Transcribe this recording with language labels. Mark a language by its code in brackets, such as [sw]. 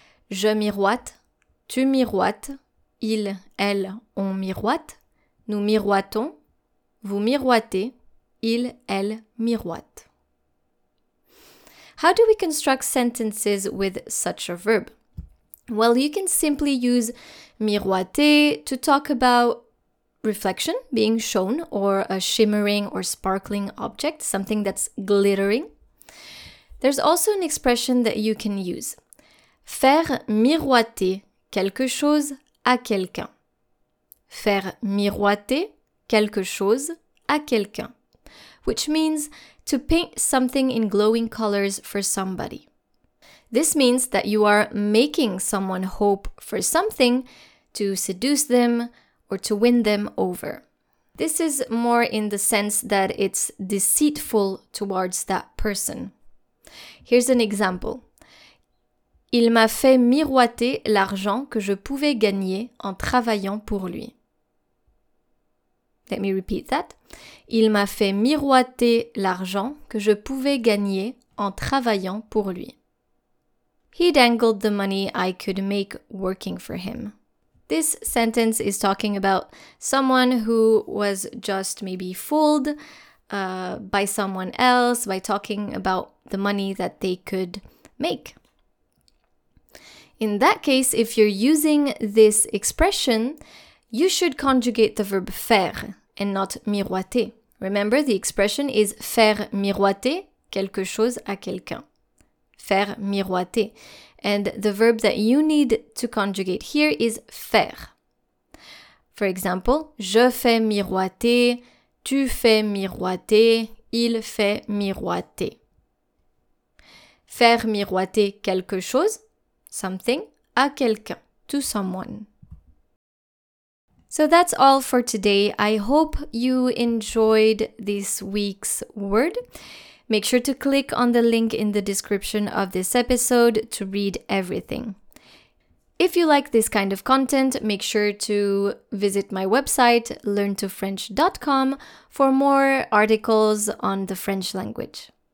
[fr] Je miroite, tu miroites, ils, elles, on miroite, nous miroitons, vous miroitez, ils, elles miroitent. [en] How do we construct sentences with such a verb? Well, you can simply use miroiter to talk about reflection, being shown, or a shimmering or sparkling object, something that's glittering. There's also an expression that you can use. [fr] Faire miroiter quelque chose à quelqu'un. Faire miroiter quelque chose à quelqu'un. [en] Which means to paint something in glowing colors for somebody. This means that you are making someone hope for something to seduce them or to win them over. This is more in the sense that it's deceitful towards that person. Here's an example. [fr] Il m'a fait miroiter l'argent que je pouvais gagner en travaillant pour lui. [en] Let me repeat that. [fr] Il m'a fait miroiter l'argent que je pouvais gagner en travaillant pour lui. [en] He dangled the money I could make working for him. This sentence is talking about someone who was just maybe fooled by someone else by talking about the money that they could make. In that case, if you're using this expression, you should conjugate the verb faire and not miroiter. Remember, the expression is [fr] faire miroiter quelque chose à quelqu'un. [en] Faire miroiter. And the verb that you need to conjugate here is faire. For example, [fr] je fais miroiter, tu fais miroiter, il fait miroiter. Faire miroiter quelque chose, something, à quelqu'un, [en] to someone. So that's all for today. I hope you enjoyed this week's word. Make sure to click on the link in the description of this episode to read everything. If you like this kind of content, make sure to visit my website, learntofrench.com, for more articles on the French language.